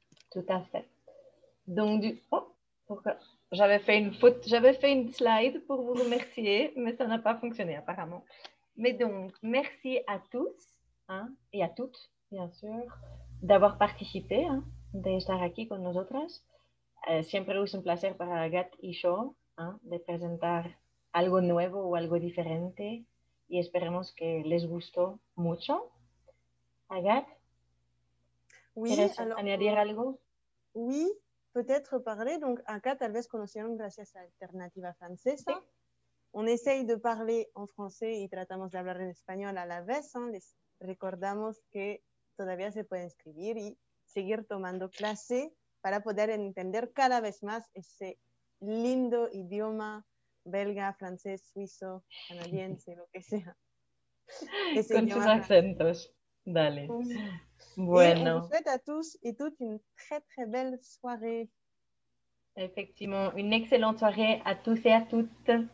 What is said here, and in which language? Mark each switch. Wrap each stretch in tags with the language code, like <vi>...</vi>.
<fr>Tout à fait. Donc, pourquoi? J'avais fait une faute, j'avais fait une slide pour vous remercier, mais ça n'a pas fonctionné apparemment. Mais donc, merci à tous, hein, et à toutes, bien sûr, d'avoir participé, hein,</fr> <es>d'estar aquí con nosotras. Siempre es un placer para Gat y yo, hein, de presentar algo nuevo o algo diferente, y esperemos que les gustó mucho. Agathe,</es> <fr>oui,</fr> <es>¿quieres añadir algo?</es> <fr>Oui. Peut-être parler, donc</fr> <es>acá tal vez conocieron gracias a Alternativa Francesa. Sí.</es> <fr>On essaye de parler en français</fr> <es>y tratamos de hablar en español a la vez. Hein. Les recordamos que todavía se puede inscribir y seguir tomando clase para poder entender cada vez más ese lindo idioma belga, francés, suizo, canadiense, lo que sea. Ese con sus acentos. Francés. Dale. Uy. Bueno.</es> <fr>Et on vous souhaite à tous et toutes une très très belle soirée. Effectivement, une excellente soirée à tous et à toutes.</fr>